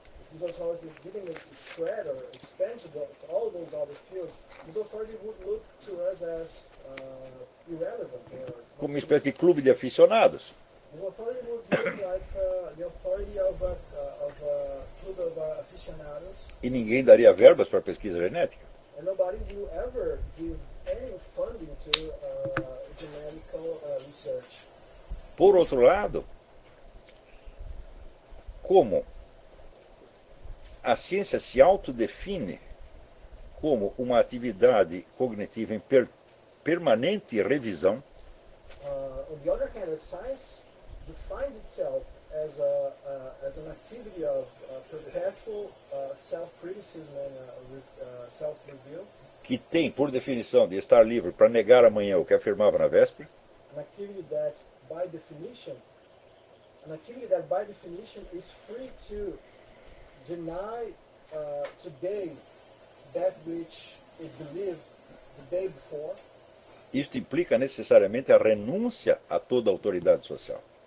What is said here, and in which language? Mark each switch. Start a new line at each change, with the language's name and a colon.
English: If this authority didn't spread or expand to all those other fields, this authority would look to us as irrelevant.
Portuguese: Como uma espécie de clube de aficionados.
English: This authority would look like the authority of a club of aficionados.
Portuguese: E ninguém daria verbas para a pesquisa genética.
English: And nobody will ever give any funding to genetic research.
Portuguese: Por outro lado, como a ciência se autodefine como uma atividade cognitiva em permanente revisão.
English: On the other hand, science defines itself as as an activity of perpetual self-criticism and self-review.
Portuguese: Que tem, por definição, de estar livre para negar amanhã o que afirmava na véspera.
English: An activity that, by definition, is free to deny today that which it believed the day before.
Portuguese: Isto implica necessariamente a renúncia a toda autoridade social.